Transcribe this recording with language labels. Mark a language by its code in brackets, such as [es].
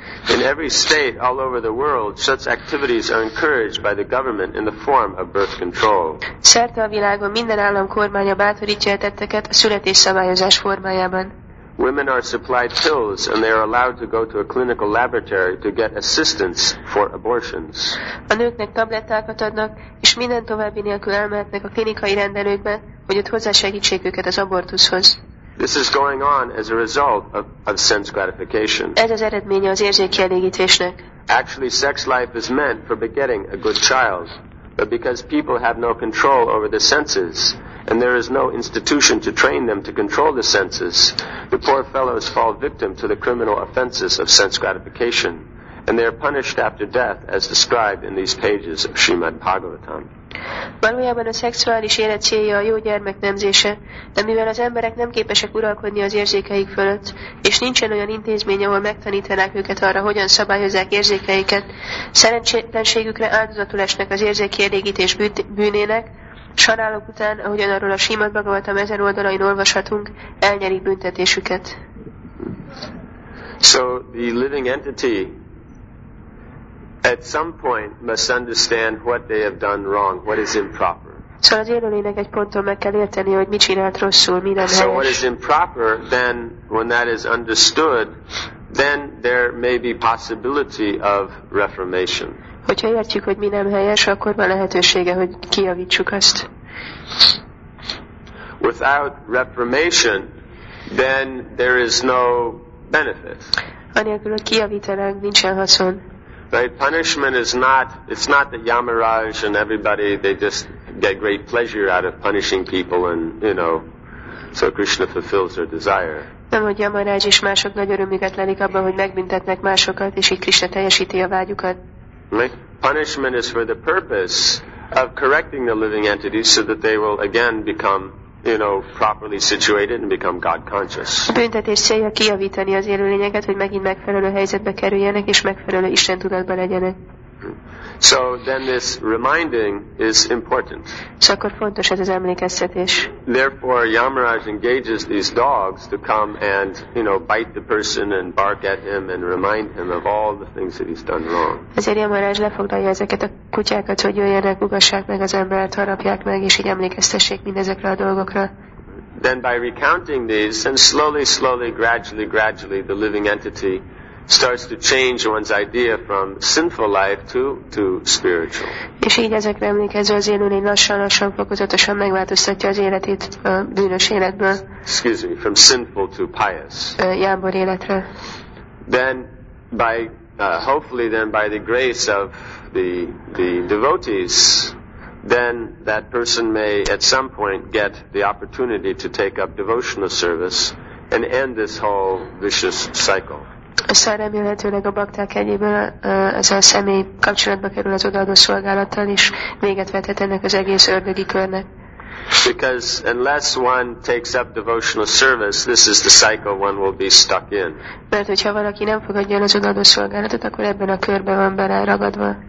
[en] In every state all over the world, such activities are encouraged by the government in the form of birth control. [hu] Szerte a világon minden állam kormánya bátorítja a tetteket a születésszabályozás formájában. [en] Women are supplied pills and they are allowed to go to a clinical laboratory to get assistance for abortions. [hu] A nőknek tablettákat adnak, és minden további nélkül elmehetnek a klinikai rendelőkbe, hogy ott hozzásegítsék őket az abortuszhoz. [en] This is going on as a result of sense gratification. [hu] Ez az eredménye az érzékkielégítésnek. [en] Actually, sex life is meant for begetting a good child, but because people have no control over the senses, and there is no institution to train them to control the senses, the poor fellows fall victim to the criminal offenses of sense gratification, and they are punished after death as described in these pages of Srimad Bhagavatam. [hu] Valójában a szexuális élet célja a jó gyermek nemzése, de mivel az emberek nem képesek uralkodni az érzékeik fölött, és nincsen olyan intézmény, ahol megtanítanák őket arra, hogyan szabályozzák érzékeiket, szerencsétlenségükre áldozatul esnek az érzékkielégítés bűnének, sarálok után, ahogyan arról a Srimad Bhagavatam 1000 oldalain olvashatunk, elnyerik büntetésüket. [en] So the living entity at some point must understand what they have done wrong, what is improper. [hu] Szóval az élőlénynek egy ponton meg kell érteni, hogy mit csinált rosszul, mi nem helyes. [en] So what is improper, then when that is understood, then there may be possibility of reformation. [hu] Hogyha értjük, hogy mi nem helyes, akkor van lehetősége, hogy kijavítsuk ezt. [en] Without reformation, then there is no benefit. [hu] Anélkül, hogy kijavítanánk, nincsen haszon. [en] Right? Punishment is not, it's not that Yamaraj and everybody, they just get great pleasure out of punishing people and, you know, so Krishna fulfills their desire. [hu] Nem, hogy Yamaraj és mások nagy örömüket lelik abban, hogy megbüntetnek másokat, és így Krishna teljesíti a vágyukat. [en] Right? Punishment is for the purpose of correcting the living entities so that they will again become, you know, properly situated and become God conscious. [hu] A büntetés célja kijavítani az élőlényeket, hogy megint megfelelő helyzetbe kerüljenek és megfelelő Isten tudatba legyenek. [en] So then this reminding is important. [hu] Szóval akkor fontos ez az emlékeztetés. [en] Therefore Yamaraj engages these dogs to come and, you know, bite the person and bark at him and remind him of all the things that he's done wrong. [hu] Ezért Yamaraj lefoglalja ezeket a kutyákat, hogy jöjjenek, ugassák meg az embert, harapják meg, és így emlékeztessék mindezekre a dolgokra. [en] Then by recounting these, and slowly, slowly, gradually, gradually, the living entity starts to change one's idea from sinful life to spiritual. [hu] És így ezekre emlékezve az élőlény lassan-lassan fokozatosan megváltoztatja az életét a bűnös életből. [en] Excuse me, from sinful to pious. [hu] Jámbor életre. [en] Then by hopefully then by the grace of the devotees, then that person may at some point get the opportunity to take up devotional service and end this whole vicious cycle. [hu] Aztán remélhetőleg a bakták egyéből ez a személy kapcsolatba kerül az odaadó szolgálattal, és véget vethet ennek az egész ördögi körnek. [en] Because unless one takes up devotional service, this is the cycle one will be stuck in. [hu] Mert hogyha valaki nem fogadja el az odaadó szolgálatot, akkor ebben a körben van beleragadva.